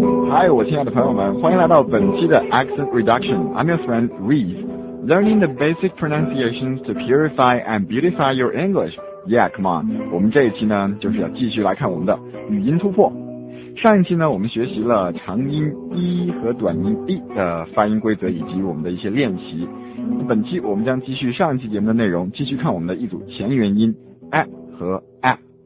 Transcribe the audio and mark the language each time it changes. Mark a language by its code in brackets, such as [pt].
[zh] Hi, 我亲爱的朋友们，欢迎来到本期的 Accent Reduction. [en] I'm your friend Reese. Learning the basic pronunciations to purify and beautify your English. Yeah, come on. [zh] 我们这一期呢，就是要继续来看我们的语音突破。上一期呢，我们学习了长音 e 和短音 e 的发音规则以及我们的一些练习。本期我们将继续上一期节目的内容，继续看我们的一组前元音 a 和 a。